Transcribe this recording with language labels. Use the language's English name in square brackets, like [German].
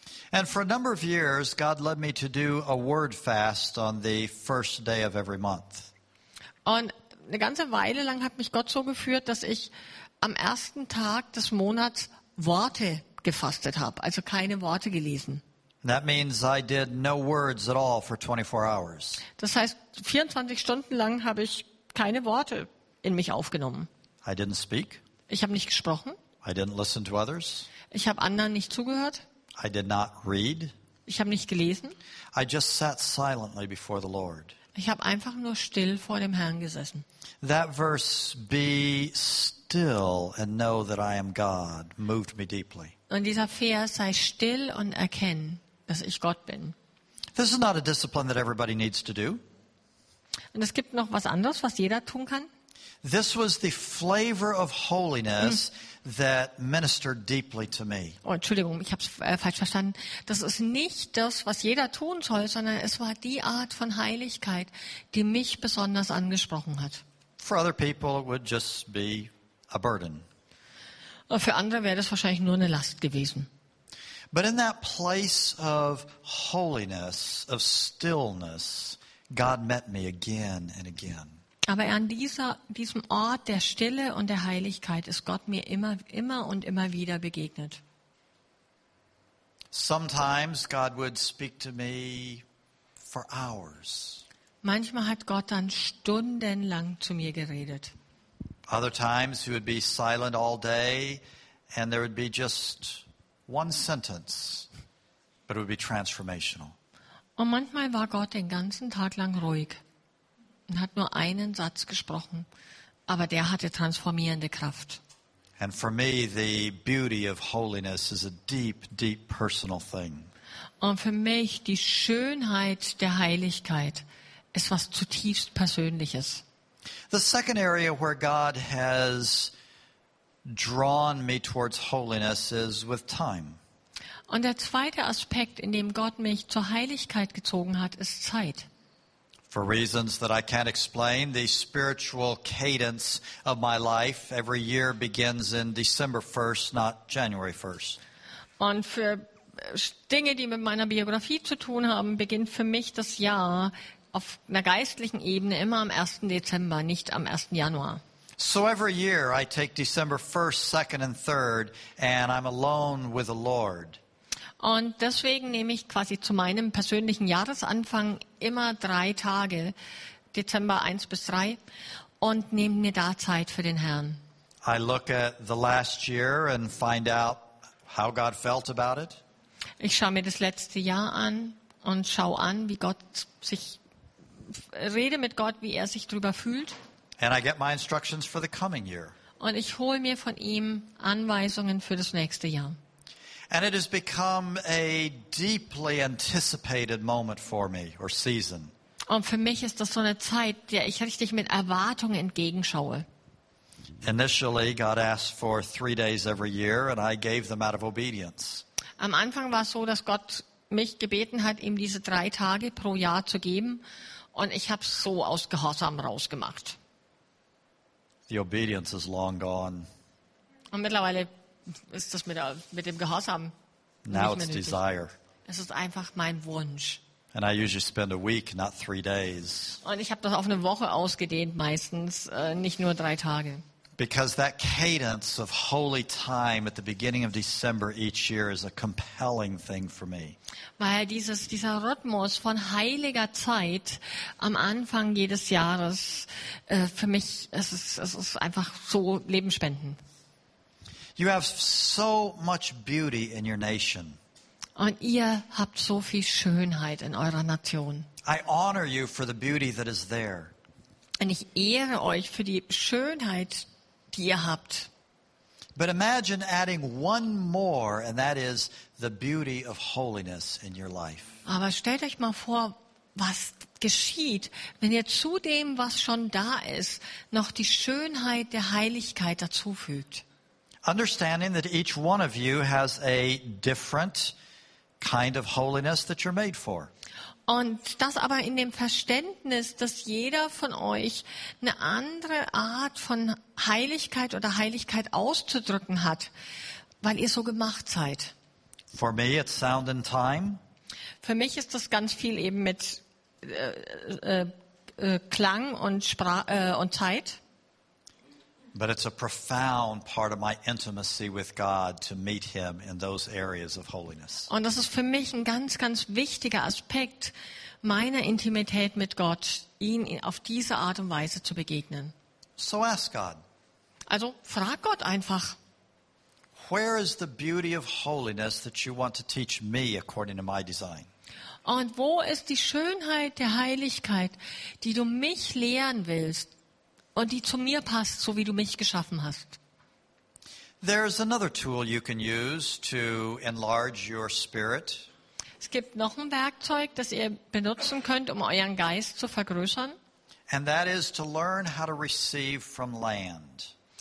[English] And for a number of years, God led me to do a word fast on the first day of every month. [German] Und eine ganze Weile lang hat mich Gott so geführt, dass ich am ersten Tag des Monats Worte gefastet habe, also keine Worte gelesen. [English] That means I did no words at all for 24 hours. [German] Das heißt, 24 Stunden lang habe ich keine Worte in mich aufgenommen. [English] I didn't speak. [German] Ich habe nicht gesprochen. [English] I didn't listen to others. [German] Ich habe anderen nicht zugehört. [English] I did not read. [German] Ich habe nicht gelesen. [English] I just sat silently before the Lord. [German] Ich habe einfach nur still vor dem Herrn gesessen. [English] That verse, be still and know that I am God, moved me deeply. [German] Und dieser Vers, sei still und erkenne, dass ich Gott bin. [English] This is not a discipline that everybody needs to do. [German] Und es gibt noch was anderes, was jeder tun kann. [English] This was the flavor of holiness that ministered deeply to me. [German] Oh, Entschuldigung, ich habe es falsch verstanden. Das ist nicht das, was jeder tun soll, sondern es war die Art von Heiligkeit, die mich besonders angesprochen hat. [English] For other people it would just be a burden. [German] Und für andere wäre das wahrscheinlich nur eine Last gewesen. [English] But in that place of holiness, of stillness, God met me again and again. [German] Aber an diesem Ort der Stille und der Heiligkeit ist Gott mir immer und immer wieder begegnet. [English] Sometimes God would speak to me for hours. [German] Manchmal hat Gott dann stundenlang zu mir geredet. [English] Other times he would be silent all day and there would be just one sentence, but it would be transformational. [German] Und manchmal war Gott den ganzen Tag lang ruhig. Und hat nur einen Satz gesprochen, aber der hatte transformierende Kraft. [English] And for me, the beauty of holiness is a deep, deep personal thing. [German] Und für mich die Schönheit der Heiligkeit ist was zutiefst Persönliches. [English] The second area where God has drawn me towards holiness is with time. [German] Und der zweite Aspekt, in dem Gott mich zur Heiligkeit gezogen hat, ist Zeit. [English] For reasons that I can't explain, the spiritual cadence of my life every year begins in December 1st, not January 1st. [German] Und für Dinge, die mit meiner Biografie zu tun haben, beginnt für mich das Jahr auf einer geistlichen Ebene immer am 1. Dezember, nicht am 1. Januar. [English] So every year I take December 1st, 2nd and 3rd and I'm alone with the Lord. [German] Und deswegen nehme ich quasi zu meinem persönlichen Jahresanfang immer 3 Tage, Dezember 1 bis 3, und nehme mir da Zeit für den Herrn. [English] I look at the last year and find out how God felt about it. [German] Ich schaue mir das letzte Jahr an und schaue an, wie Gott sich, rede mit Gott, wie er sich drüber fühlt. [English] And I get my instructions for the coming year. [German] Und ich hole mir von ihm Anweisungen für das nächste Jahr. [English] And it has become a deeply anticipated moment for me or season. [German] Und für mich ist das so eine Zeit, der ich richtig mit Erwartung entgegenschaue. [English] Initially, God asked for 3 days every year, and I gave them out of obedience. [German] Am Anfang war es so, dass Gott mich gebeten hat, ihm diese 3 Tage pro Jahr zu geben, und ich habe es so aus Gehorsam rausgemacht. [English] The obedience is long gone. [German] Und mittlerweile ist das mit dem Gehorsam [English] now it's desire. [German] Es ist einfach mein Wunsch. [English] And I usually spend a week, not 3 days. [German] Und ich habe das auf eine Woche ausgedehnt meistens, nicht nur 3 Tage. [English] Because that cadence of holy time at the beginning of December each year is a compelling thing for me. [German] Weil dieser Rhythmus von heiliger Zeit am Anfang jedes Jahres für mich es ist einfach so lebensspendend. [English] You have so much beauty in your nation. [German] Und ihr habt so viel Schönheit in eurer Nation. [English] I honor you for the beauty that is there. [German] Und ich ehre euch für die Schönheit, die ihr habt. [English] But imagine adding one more, and that is the beauty of holiness in your life. [German] Aber stellt euch mal vor, was geschieht, wenn ihr zu dem, was schon da ist, noch die Schönheit der Heiligkeit dazufügt. [English] Understanding that each one of you has a different kind of holiness that you're made for. [German] Und das aber in dem Verständnis, dass jeder von euch eine andere Art von Heiligkeit oder Heiligkeit auszudrücken hat, weil ihr so gemacht seid. [English] For me, it's sound and time. [German] Für mich ist das ganz viel eben mit Klang und und Zeit. [English] But it's a profound part of my intimacy with God to meet him in those areas of holiness. [German] Und das ist für mich ein ganz, ganz wichtiger Aspekt meiner Intimität mit Gott, ihn auf diese Art und Weise zu begegnen. [English] So ask God. [German] Also frag Gott einfach. [English] Where is the beauty of holiness that you want to teach me according to my design? [German] Und wo ist die Schönheit der Heiligkeit, die du mich lehren willst? Und die zu mir passt, so wie du mich geschaffen hast. [English] There's another tool you can use to enlarge your spirit. [German] Es gibt noch ein Werkzeug, das ihr benutzen könnt, um euren Geist zu vergrößern. [English] And that is to learn how to receive from land.